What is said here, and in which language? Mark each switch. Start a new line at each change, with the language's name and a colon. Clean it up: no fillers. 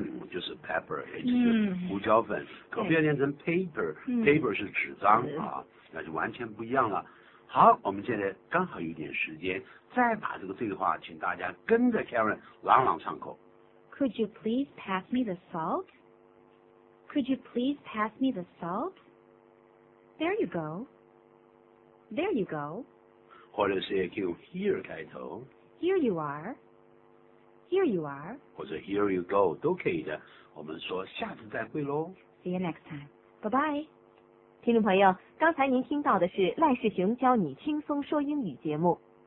Chinese: 就是 pepper， 也就是胡椒粉、可不要念成 paper， paper 是纸张、那就完全不一样了。好，我们现在刚好有点时间，再把这个对话请大家跟着 Karen 朗朗上口。
English: Could you please pass me the salt? Could you please pass me the salt? There you go. There you go.
Chinese: 或者是也可以用 here 开头。
English: Here you areHere you are.
Chinese: 或者
English: here you go
Chinese: 都可以的，我们说下次再会咯。
English: See you next time. Bye bye.
Chinese: 听众朋友，刚才您听到的是赖世雄教你轻松说英语节目。